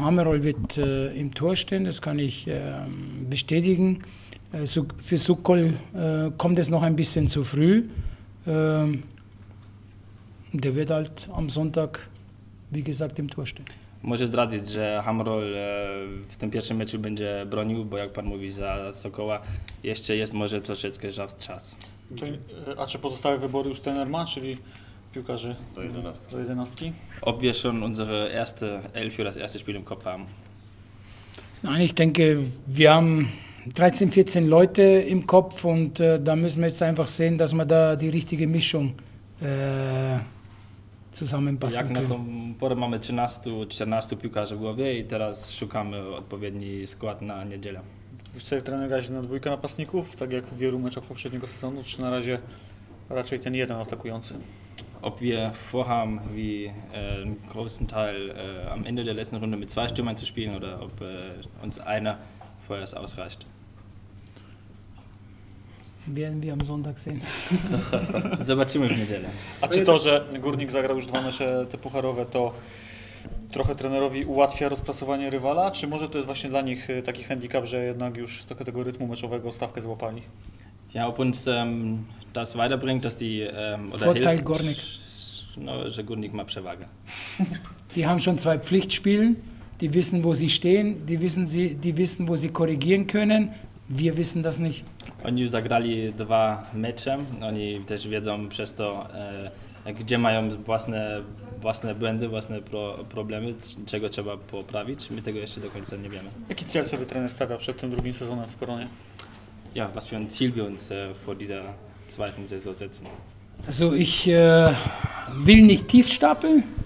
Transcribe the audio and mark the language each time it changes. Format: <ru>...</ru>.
<de>Hamro wird im Tor stehen, das kann ich bestätigen. Für Sokol kommt es noch ein bisschen zu früh. Der wird halt am Sonntag, wie gesagt, im Tor stehen.</de> <pl>Może zdradzić, że Hamro w tym pierwszym meczu będzie bronił, bo jak pan mówi, za Sokoła jeszcze jest może troszeczkę żaw czas. To, a czy pozostałe wybory już trener ma, czyli piłkarzy do 11?</pl> <de>Ob wir schon unsere erste Elf für das erste Spiel im Kopf haben? Nein, ich denke, wir haben 13, 14 Leute im Kopf und da müssen wir jetzt einfach sehen, dass wir da die richtige Mischung zusammenpassen</de> <pl>jak na tą porę mamy 13-14 piłkarzy w głowie i teraz szukamy odpowiedni skład na niedzielę. Chce trener grać na dwójkę napastników, tak jak w wielu meczach poprzedniego sezonu, czy na razie raczej ten jeden atakujący?</pl> <de>Ob wir vorhaben, wie einen großen Teil am Ende der letzten Runde mit zwei Stürmern zu spielen, oder ob uns einer vorerst ausreicht? Werden wir am Sonntag sehen.</de> <pl>Zobaczymy w niedzielę. A czy to, że Górnik zagrał już dwa mecze te pucharowe, to trochę trenerowi ułatwia rozpracowanie rywala? Czy może to jest właśnie dla nich taki handicap, że jednak już trochę tego rytmu meczowego stawkę złapali?</pl> <de>Ja, ob uns das weiterbringt, dass die... Vorteil Górnik.</de> <pl>No, że Górnik ma przewagę.</pl> <de>Die haben schon zwei Pflichtspielen. Die wissen, wo sie stehen. Die wissen, wo sie korrigieren können. Wir wissen das nicht.</de> <pl>Oni już zagrali dwa mecze, oni też wiedzą przez to, gdzie mają własne błędy, własne problemy, czego trzeba poprawić. My tego jeszcze do końca nie wiemy. Jaki cel sobie trener stawia przed tym drugim sezonem w Koronie?</pl> <de>ja, was für ein Ziel wir uns vor dieser zweiten Saison setzen. Also ich will nicht tief stapeln.</de>